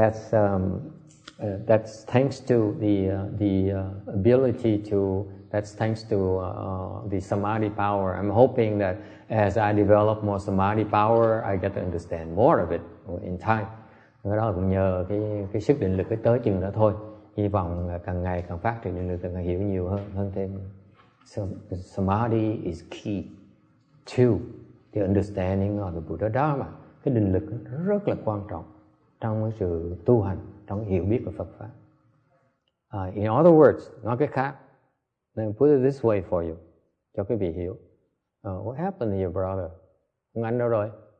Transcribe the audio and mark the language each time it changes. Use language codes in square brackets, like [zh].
[en] That's thanks to the samadhi power. I'm hoping that as I develop more samadhi power, I get to understand more of it in time. [vi] Cái đó cũng nhờ cái sức định lực cái tới chừng đó thôi. Hy vọng là càng ngày càng phát triển định lực, càng ngày hiểu nhiều hơn thêm. [en] So, samadhi is key to the understanding of the Buddha Dharma. [vi] Cái định lực rất là quan trọng trong cái sự tu hành, trong hiểu biết của Phật Pháp. [en] In other words, [vi] nói cái khác, [en] then put it this way for you, [vi] cho quý vị hiểu. [en] What happened to your brother? [vi] Ông anh đâu rồi?